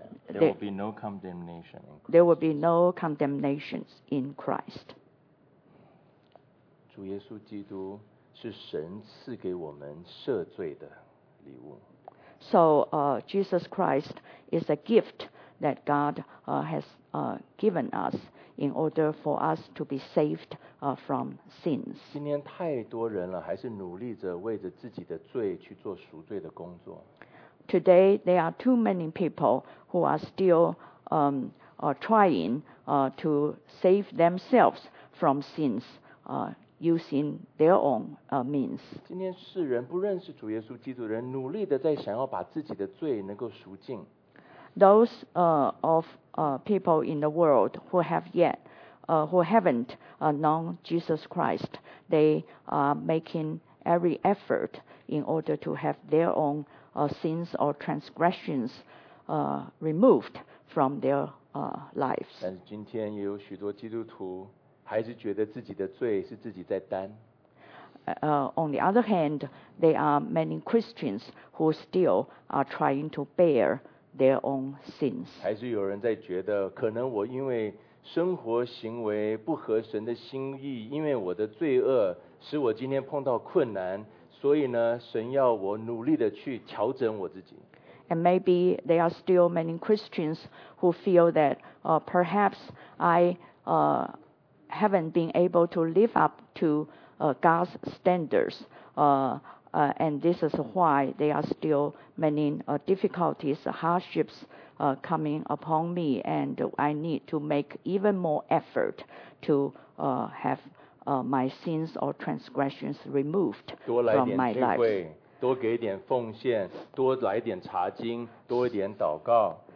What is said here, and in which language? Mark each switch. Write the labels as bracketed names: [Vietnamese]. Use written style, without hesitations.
[English] there will be no condemnation in Christ. There will be no condemnations in Christ. [Chinese] 主耶稣基督是神赐给我们赦罪的礼物。 [English] So, Jesus Christ is a gift that God has given us in order for us to be saved. From sins. [Chinese] 今天太多人了，还是努力着为着自己的罪去做赎罪的工作。 [English] Today there are too many people who are still trying to save themselves from sins using their own means. [Chinese] 今天世人不认识主耶稣基督的人，努力的在想要把自己的罪能够赎尽。 [English] Those people in the world who have yet. Who haven't known Jesus Christ, they are making every effort in order to have their own sins or transgressions removed from their lives. [Chinese] 但是今天也有许多基督徒还是觉得自己的罪是自己在担。 [English] On the other hand, there are many Christians who still are trying to bear their own sins. [Chinese] 还是有人在觉得可能我因为生活行为不合神的心意，因为我的罪恶使我今天碰到困难，所以呢，神要我努力的去调整我自己。 [English] And maybe there are still many Christians who feel that perhaps I haven't been able to live up to God's standards. And this is why there are still many difficulties, hardships. Coming upon me, and I need to make even more effort to have my sins or transgressions removed from my life. [Chinese] 多给一点奉献，多来一点查经，多一点祷告。